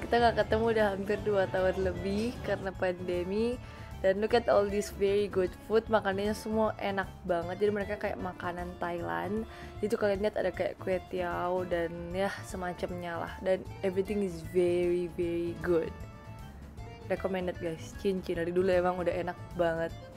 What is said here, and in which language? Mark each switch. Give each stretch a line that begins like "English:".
Indonesian: Kita gak ketemu udah hampir 2 tahun lebih karena pandemi.
English: Dan look at all this very good food.
Indonesian: Makanannya semua enak banget. Jadi mereka kayak makanan Thailand. Jadi tuh kalian lihat ada kayak kue tiao dan ya semacamnya lah.
English: Dan everything is very very good. Recommended guys, Cincin.
Indonesian: Dari dulu emang udah enak banget.